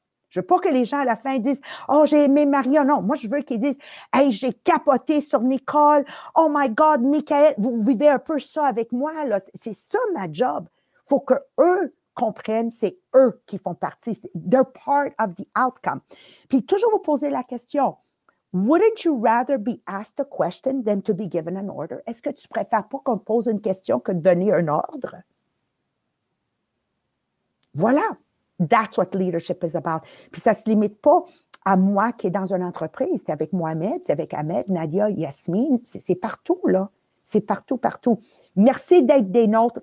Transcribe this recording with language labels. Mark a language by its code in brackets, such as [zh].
[fr] Je veux pas que les gens à la fin disent « Oh, j'ai aimé Maria ». Non, moi, je veux qu'ils disent « Hey, j'ai capoté sur Nicole. [en] Oh my God, [fr] Michael, vous vivez un peu ça avec moi. » Là. C'est ça ma job. Faut que eux comprennent, c'est eux qui font partie. [en] They're part of the outcome. [fr] Puis toujours vous poser la question, [en] wouldn't you rather be asked a question than to be given an order? [fr] Est-ce que tu préfères pas qu'on te pose une question que de donner un ordre? Voilà. [en] That's what leadership is about. [fr] Puis ça se limite pas à moi qui est dans une entreprise. C'est avec Mohamed, c'est avec Ahmed, Nadia, Yasmine. C'est partout, là. C'est partout, partout. Merci d'être des nôtres.